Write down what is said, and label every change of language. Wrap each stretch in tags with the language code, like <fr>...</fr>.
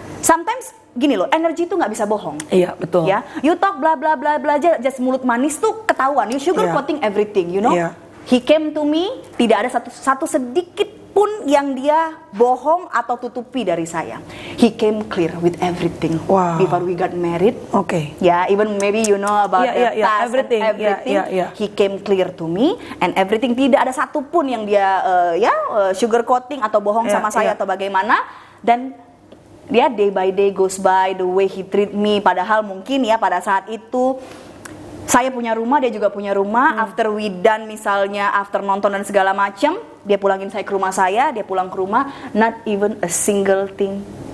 <id>Sometimes gini loh, energi itu nggak bisa bohong. Iya, betul.</id> <en>Ya, you talk bla bla bla bla aja, just</en> <id>mulut manis tuh ketahuan.</id> <en>You sugarcoating everything, you know. Yeah. He came to me,</en> <id>tidak ada satu sedikit pun yang dia bohong atau tutupi dari saya.</id> <en>He came clear with everything. Wow. Before we got married. Okay. Yeah, even maybe you know about the past and everything. He came clear to me and everything.</en> <id>Tidak ada satu pun yang dia sugar coating atau bohong sama saya atau bagaimana.</id> <en>Dan dia day by day goes by the way he treat me.</en> <id>Padahal mungkin ya pada saat itu saya punya rumah, dia juga punya rumah.</id> <en>After we done</en> <id>misalnya, after nonton dan segala macam, dia pulangin saya ke rumah saya, dia pulang ke rumah,</id> <en>not even a single thing.</en>